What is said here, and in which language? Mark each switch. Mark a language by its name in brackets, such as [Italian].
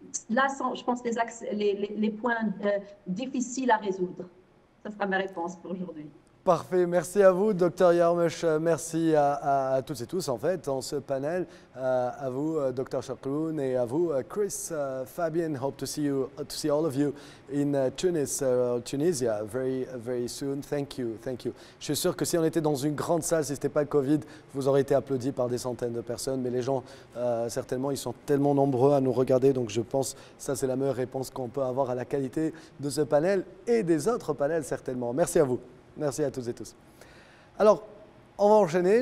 [French] Là sont, je pense, les points difficiles à résoudre. Ça sera ma réponse pour aujourd'hui. Parfait. Merci à vous, Dr Yarmesh. Merci à toutes et tous, en fait, en ce panel. À vous, Dr Chakloun, et à vous, Chris, Fabien. [English] Hope to see you, to see all of you in Tunisia very, very soon. Thank you, thank you. [French] Je suis sûr que si on était dans une grande salle, si ce n'était pas le Covid, vous auriez été applaudis par des centaines de personnes. Mais les gens, certainement, ils sont tellement nombreux à nous regarder. Donc, je pense que ça, c'est la meilleure réponse qu'on peut avoir à la qualité de ce panel et des autres panels, certainement. Merci à vous. Merci à toutes et tous. Alors, on va enchaîner.